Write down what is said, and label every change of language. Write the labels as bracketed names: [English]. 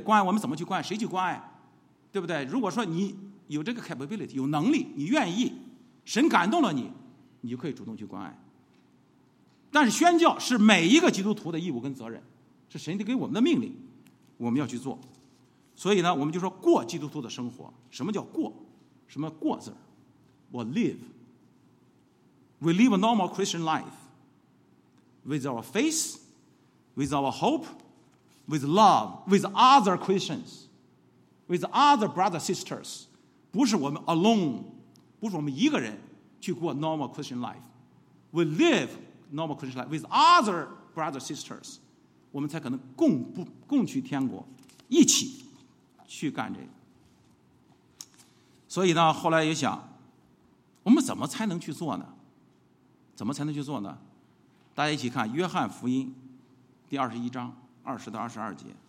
[Chinese] 关爱我们怎么去关爱？谁去关爱？对不对？如果说你有这个 capability, 有能力，你愿意，神感动了你，你就可以主动去关爱。但是宣教是每一个基督徒的义务跟责任，是神给我们的命令，我们要去做。所以呢，我们就说过基督徒的生活。什么叫过？什么过字？我 live。 [English] We live a normal Christian life with our faith, with our hope, with love, with other Christians, with other brothers and sisters. [Chinese] 不是我们 alone, 不是我们一个人去过 [English] normal Christian life. We live normal Christian life with other brothers and sisters. [Chinese] 我们才可能 共去天国，一起去干这个。所以呢，后来也想，我们怎么才能去做呢？怎么才能去做呢？大家一起看《约翰福音》第二十一章二十到二十二节。